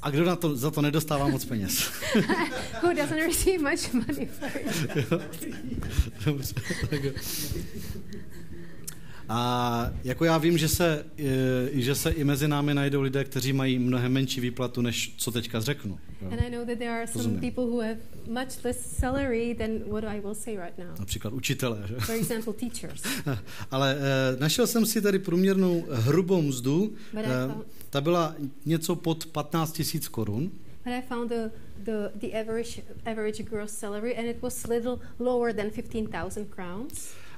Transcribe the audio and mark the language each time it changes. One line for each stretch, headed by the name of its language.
Czech: A kdo na to za to nedostává moc peněz?
English: Who doesn't receive much money for it?
Czech: A jako já vím, že se i mezi námi najdou lidé, kteří mají mnohem menší výplatu, než co teďka řeknu.
English: And I know that there are some people who have much less salary than what I will say right now.
Czech: Například učitelé, že?
English: For example, teachers.
Czech: Ale našel jsem si tady průměrnou hrubou mzdu. Ta byla něco pod 15 000 korun.
English: But I found the average gross salary and it was a little lower than 15,000 crowns.